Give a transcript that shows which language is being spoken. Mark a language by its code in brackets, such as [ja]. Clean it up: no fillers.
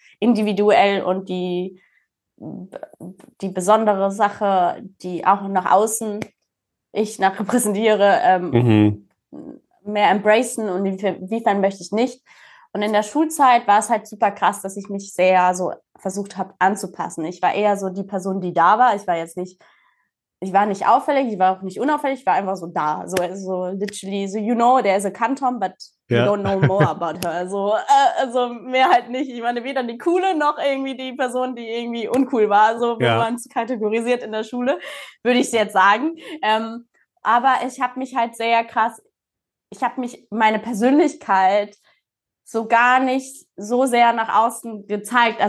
[de] individuell und die besondere Sache, die auch nach außen ich nach repräsentiere, mehr embracen und inwiefern möchte ich nicht. Und in der Schulzeit war es halt super krass, dass ich mich sehr so versucht habe anzupassen. Ich war eher so die Person, die da war. Ich war nicht auffällig, ich war auch nicht unauffällig, ich war einfach so da. [en] So literally, so you know, there is a Kanton, but you don't know more about her. [de] Also mehr halt nicht. Ich meine, weder die Coole noch irgendwie die Person, die irgendwie uncool war. So wie man es kategorisiert in der Schule, würde ich es jetzt sagen. Aber ich habe mich halt sehr krass, ich habe mich, meine Persönlichkeit so gar nicht so sehr nach außen gezeigt.